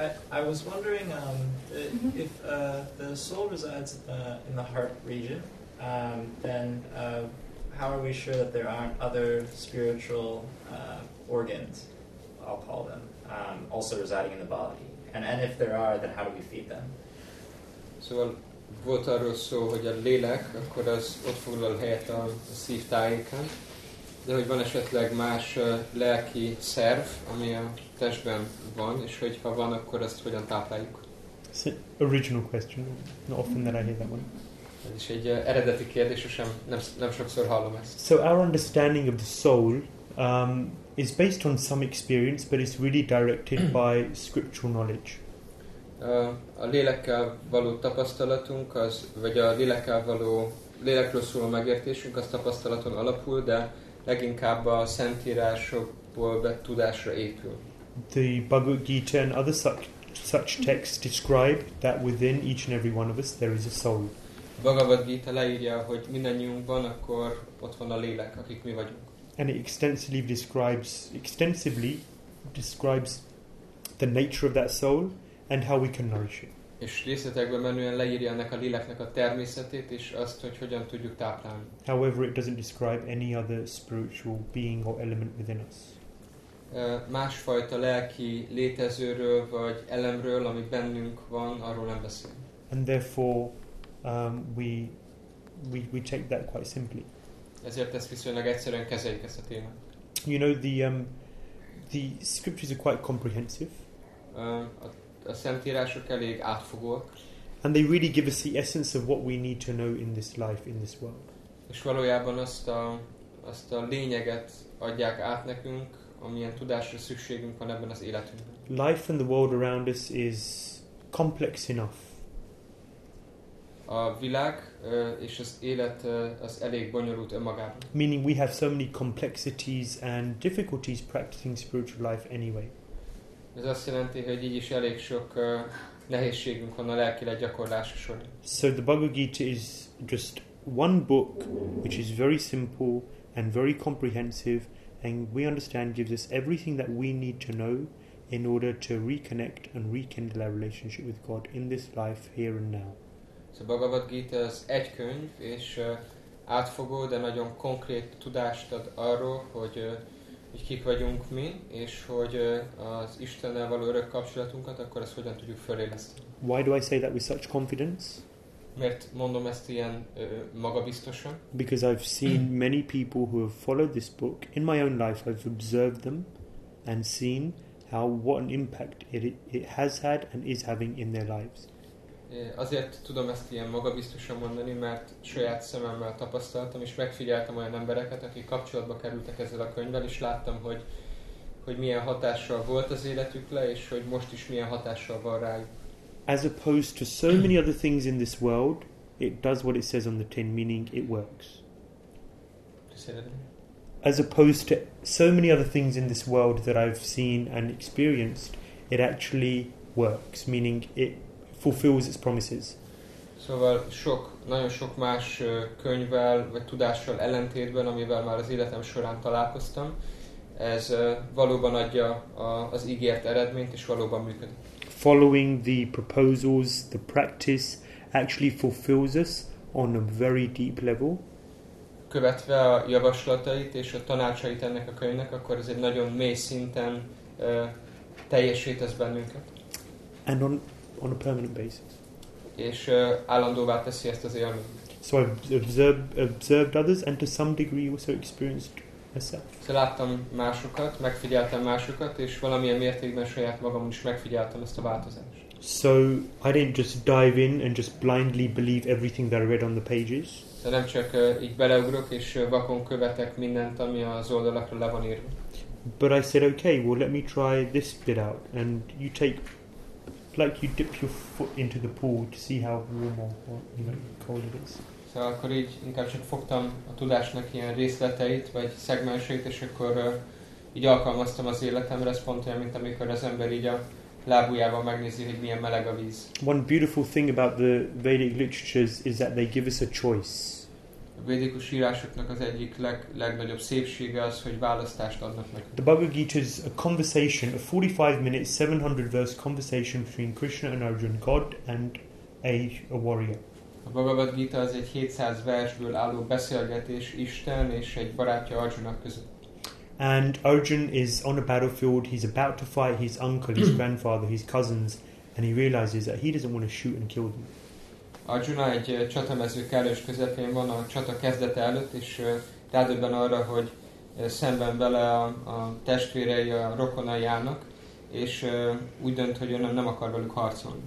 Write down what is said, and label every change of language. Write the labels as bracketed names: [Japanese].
[English] I was wondering if the soul resides in the heart region, then how are we sure that there aren't other spiritual organs, I'll call them, also residing in the body? And if there are, then how do we feed them? [Hungarian] Szóval volt arról szó, hogy a lélek, akkor az ott foglal helyet a szív tájéken, de hogy van esetleg más lelki szerv, ami a testben van, és hogy ha van, akkor azt hogyan tápláljuk? [English] It's an original question. Not often that I hear that one. [Hungarian] Ez is egy eredeti kérdés, és nem sokszor hallom ezt. [English] So our understanding of the soul is based on some experience, but it's really directed by scriptural knowledge. [Hungarian] A lélekkel való tapasztalatunk, az, vagy a lélekkel való, lélekről szóló megértésünk, az tapasztalaton alapul, de leginkább a szentírásokból vett tudásra épül. [English] The Bhagavad Gita and other such texts describe that within each and every one of us there is a soul. [Hungarian] A Bhagavad Gita leírja, hogy mindannyiunkban akkor ott van a lélek, akik mi vagyunk. [English] And it extensively describes the nature of that soul, and how we can nourish it. [Hungarian] És részletekben menően leírja ennek a léleknek a természetét, és azt, hogy hogyan tudjuk táplálni. [English] However, it doesn't describe any other spiritual being or element within us. [Hungarian] Másfajta lelki létezőről, vagy elemről, ami bennünk van, arról nem beszél. [English] And therefore, we take that quite simply. [Hungarian] Ezért ezt viszonylag egyszerűen kezeljük ezt a témát. [English] You know, the scriptures are quite comprehensive. [Hungarian] A szentírások elég átfogóak. [English] And they really give us the essence of what we need to know in this life, in this world. [Hungarian] És valójában azt a lényeget adják át nekünk, amilyen tudásra szükségünk van ebben az életünkben. [English] Life and the world around us is complex enough. [Hungarian] A világ és az élet az elég bonyolult önmagában. [English] Meaning we have so many complexities and difficulties practicing spiritual life anyway. [Hungarian] Ez azt jelenti, hogy így is elég sok nehézségünk van a lelkileg gyakorlása során. [English] So the Bhagavad Gita is just one book, which is very simple and very comprehensive, and we understand gives us everything that we need to know in order to reconnect and rekindle our relationship with God in this life, here and now. [Hungarian] So Bhagavad Gita az egy könyv, és átfogó, de nagyon konkrét tudást ad arról, hogy kik vagyunk mi, és hogy az Istennel való örök kapcsolatunkat, akkor ezt hogyan tudjuk föléleszteni. [English] Why do I say that with such confidence? [Hungarian] Mert mondom ezt ilyen magabiztosan. [English] Because I've seen many people who have followed this book. In my own life I've observed them and seen how what an impact it has had and is having in their lives. [Hungarian] Azért tudom ezt ilyen magabiztosan mondani, mert saját szememmel tapasztaltam, és megfigyeltem olyan embereket, akik kapcsolatba kerültek ezzel a könyvvel, és láttam, hogy milyen hatással volt az életükre, és hogy most is milyen hatással van rájuk. [English] As opposed to so many other things in this world, it does what it says on the tin, meaning it works. As opposed to so many other things in this world that I've seen and experienced, it actually works, meaning it fulfills its promises. [Hungarian] Szóval sok, nagyon sok más könyvvel vagy tudással ellentétben, amivel már az életem során találkoztam, ez valóban adja az ígért eredményt, és valóban működik. [English] Following the proposals, the practice actually fulfills us on a very deep level. [Hungarian] Követve a javaslatait és a tanácsait ennek a könyvnek, akkor ez egy nagyon mély szinten teljesít ez bennünket. [English] And on a permanent basis. [Hungarian] És állandóvá teszi ezt az élményt. [English] So I've observed others and to some degree also experienced myself. [Hungarian] So láttam másokat, megfigyeltem másokat, és valamilyen mértékben saját magam is megfigyeltem ezt a változást. [English] So I didn't just dive in and just blindly believe everything that I read on the pages. [Hungarian] De nem csak így beleugrok és vakon követek mindent, ami az oldalakra le van írva. [English] But I said, okay, well let me try this bit out, and you take like you dip your foot into the pool to see how warm or cold it is. [Hungarian] So akkor így inkább csak fogtam a tudásnak ilyen részleteit vagy szegmenseit, és akkor így alkalmaztam az életemre, ez pont olyan, mint amikor az ember így a lábujával megnézi, hogy milyen meleg a víz. [English] One beautiful thing about the Vedic literatures is that they give us a choice. [Hungarian] A védikus írásoknak az egyik legnagyobb szépsége az, hogy választást adnak nekünk. [English] The Bhagavad Gita is a conversation, a 45-minute, 700-verse conversation between Krishna and Arjuna, God and a warrior. [Hungarian] A Bhagavad Gita az egy 700 versből álló beszélgetés Isten és egy barátja Arjuna között. [English] And Arjuna is on a battlefield, he's about to fight his uncle, his grandfather, his cousins, and he realizes that he doesn't want to shoot and kill them. [Hungarian] Arjuna egy csatamező kellős közepén van a csata kezdete előtt, és rádöbben arra, hogy szemben vele a testvérei, a rokonai állnak, és úgy dönt, hogy ő nem akar velük harcolni.